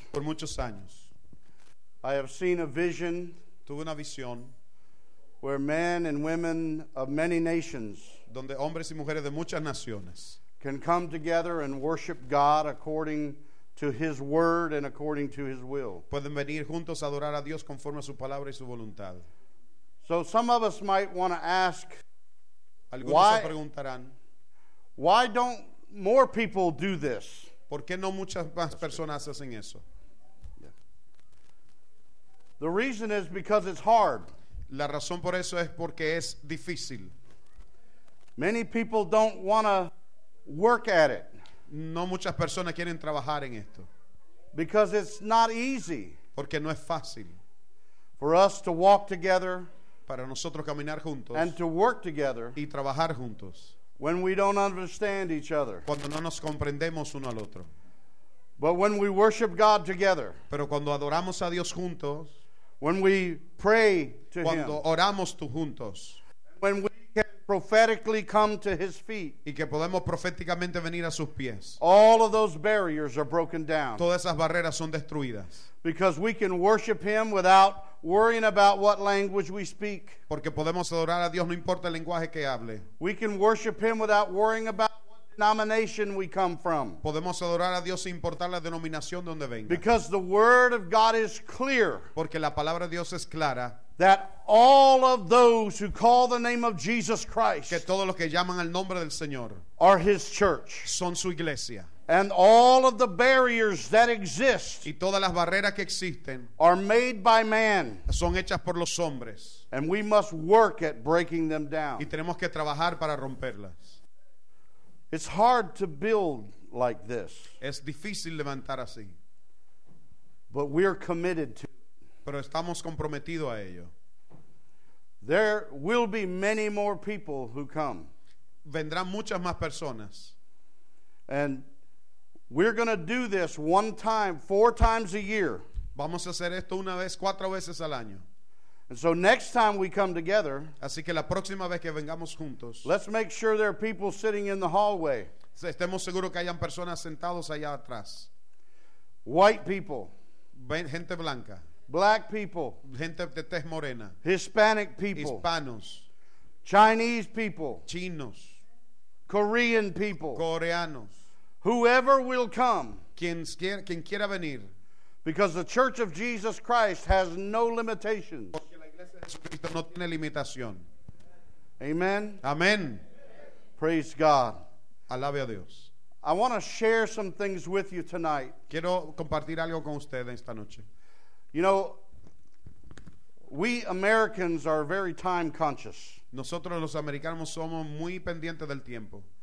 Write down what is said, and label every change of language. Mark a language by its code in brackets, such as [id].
[es] Por muchos años. [en] I have seen a vision. [es] Tuve una visión [en] where men and women of many nations, [es] donde hombres y mujeres de muchas naciones, [en] can come together and worship God according to His word and according to His will. [es] Pueden venir juntos a adorar a Dios conforme a su palabra y su voluntad. [en] So some of us might want to ask, [es] algunos why, se preguntarán, [en] why don't more people do this? [es] ¿Por qué no muchas más personas hacen eso? [en] The reason is because it's hard. [es] La razón por eso es porque es difícil. [en] Many people don't want to work at it. [es] No muchas personas quieren trabajar en esto. [en] Because it's not easy. [es] Porque no es fácil. [en] For us to walk together. [es] para nosotros caminar juntos [en] and to work together [es] y trabajar juntos [en] when we don't understand each other. [es] Cuando no nos comprendemos uno al otro. [en] But when we worship God together, [es] pero cuando adoramos a Dios juntos, [en] when we pray to Him, [es] cuando oramos tú juntos, [en] when we can prophetically come to His feet, [es] y que podemos proféticamente venir a sus pies, [en] all of those barriers are broken down. [es] Todas esas barreras son destruidas. [en] Because we can worship Him without worrying about what language we speak. [es] Porque podemos adorar a Dios no importa el lenguaje que hable. [en] We can worship Him without worrying about denomination we come from. [es] Podemos adorar a Dios sin importar la denominación donde venga. [en] Because the word of God is clear. [es] Porque la palabra de Dios es clara. [en] That all of those who call the name of Jesus Christ, [es] que todos los que llaman al nombre del Señor, [en] are His church. [es] Son su iglesia. [en] And all of the barriers that exist, [es] y todas las barreras que existen, [en] are made by man. [es] Son hechas por los hombres. [en] And we must work at breaking them down. [es] Y tenemos que trabajar para romperlas. [en] It's hard to build like this. [es] Es difícil levantar así. [en] But we are committed to. [es] Pero estamos comprometidos a ello. [en] There will be many more people who come. [es] Vendrán muchas más personas. [en] And we're going to do this one time, four times a year. [es] Vamos a hacer esto una vez, cuatro veces al año. [en] And so next time we come together, [es] así que la próxima vez que vengamos juntos, [en] let's make sure there are people sitting in the hallway. [es] Estemos seguros que hayan personas sentados allá atrás. [en] White people, [es] gente blanca. [en] Black people, [es] gente de tez morena. [en] Hispanic people, [es] hispanos. [en] Chinese people, [es] chinos. [en] Korean people, [es] coreanos. [en] Whoever will come, [es] quien quiera venir. [en] Because the Church of Jesus Christ has no limitations. [es] No tiene limitación. [en] Amen. [es] Amen. [en] Praise God. [es] Alabe a Dios. [en] I want to share some things with you tonight. [es] Quiero compartir algo con usted esta noche. [en] You know, we Americans are very time conscious. [es] Nosotros los americanos somos muy pendientes del tiempo.